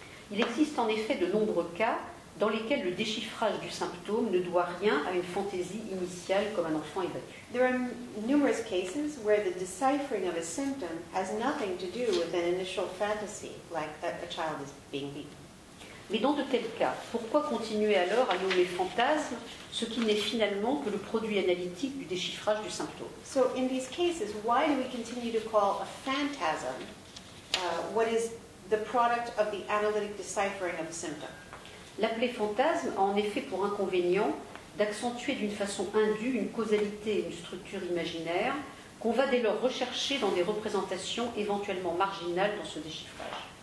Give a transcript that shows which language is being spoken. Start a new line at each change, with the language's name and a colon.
French: Il existe en effet de nombreux cas dans lesquels le déchiffrage du symptôme ne doit rien à une fantaisie initiale comme un enfant est battu.
English: There are numerous cases where the deciphering of a symptom has nothing to do with an initial fantasy, like that a child is being beaten.
French: Mais dans de tels cas, pourquoi continuer alors à nommer fantasme ce qui n'est finalement que le produit analytique du déchiffrage du symptôme?
English: So in these cases, why do we continue to call a phantasm what is the product of the analytic deciphering of a symptom?
French: L'appeler fantasme a en effet pour inconvénient d'accentuer d'une façon indue une causalité et une structure imaginaire qu'on va dès lors rechercher dans des représentations éventuellement marginales dans ce déchiffrage.